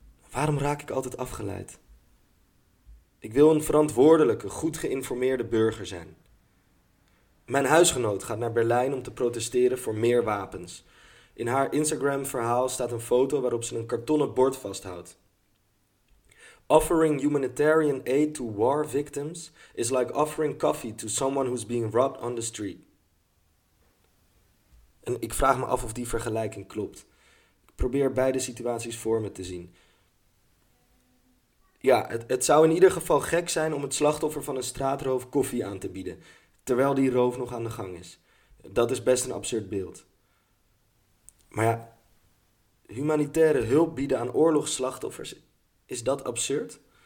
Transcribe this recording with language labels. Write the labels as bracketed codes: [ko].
[nl] Waarom raak ik altijd afgeleid? Ik wil een verantwoordelijke, goed geïnformeerde burger zijn. Mijn huisgenoot gaat naar Berlijn om te protesteren voor meer wapens. In haar Instagram-verhaal staat een foto waarop ze een kartonnen bord vasthoudt. [en] Offering humanitarian aid to war victims is like offering coffee to someone who's being robbed on the street. [nl] En ik vraag me af of die vergelijking klopt. Ik probeer beide situaties voor me te zien. Ja, het zou in ieder geval gek zijn om het slachtoffer van een straatroof koffie aan te bieden, terwijl die roof nog aan de gang is. Dat is best een absurd beeld. Maar ja, humanitaire hulp bieden aan oorlogsslachtoffers, is dat absurd?